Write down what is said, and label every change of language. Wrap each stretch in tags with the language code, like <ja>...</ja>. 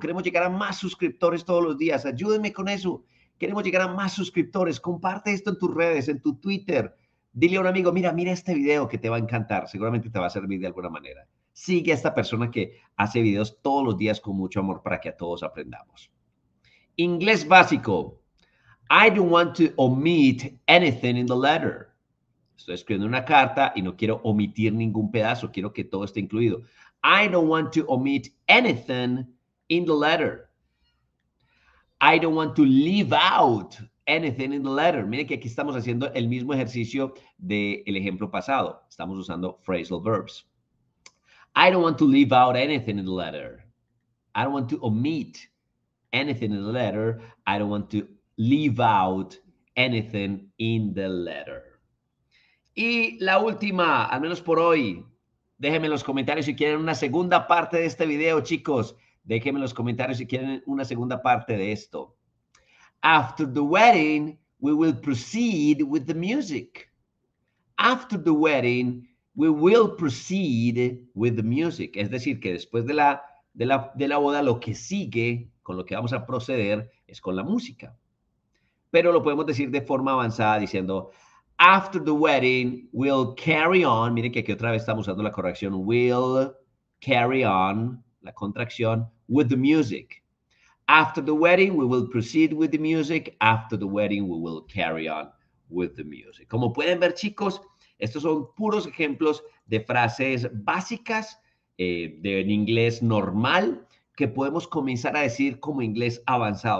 <es>Queremos llegar a más suscriptores todos los días. Ayúdenme con eso. Queremos llegar a más suscriptores. Comparte esto en tus redes, en tu Twitter. Dile a un amigo, mira, mira este video que te va a encantar. Seguramente te va a servir de alguna manera. Sigue a esta persona que hace videos todos los días con mucho amor para que a todos aprendamos. Inglés básico.</es> <en>I don't want to omit anything in the letter.</en> <es>Estoy escribiendo una carta y no quiero omitir ningún pedazo. Quiero que todo esté incluido.</es> <en>I don't want to omit anything in the letter. I don't want to leave out anything in the letter.</en> <es>Miren que aquí estamos haciendo el mismo ejercicio del ejemplo pasado. Estamos usando phrasal verbs.</es> <en>I don't want to leave out anything in the letter. I don't want to omit anything in the letter. I don't want to leave out anything in the letter.</en> <es>Y la última, al menos por hoy, déjenme en los comentarios si quieren una segunda parte de este video, chicos. Déjenme en los comentarios si quieren una segunda parte de esto.</es> <en>After the wedding, we will proceed with the music. After the wedding, we will proceed with the music.</en> <es>Es decir, que después de la boda, lo que sigue, con lo que vamos a proceder, es con la música. Pero lo podemos decir de forma avanzada diciendo.</es> <en>After the wedding, we'll carry on.</en> <es>Miren que aquí otra vez estamos usando la corrección.</es> <en>We'll carry on,</en> <es>la contracción,</es> <en>with the music. After the wedding, we will proceed with the music. After the wedding, we will carry on with the music.</en> <es>Como pueden ver, chicos, estos son puros ejemplos de frases básicas de un inglés normal que podemos comenzar a decir como inglés avanzado.</es>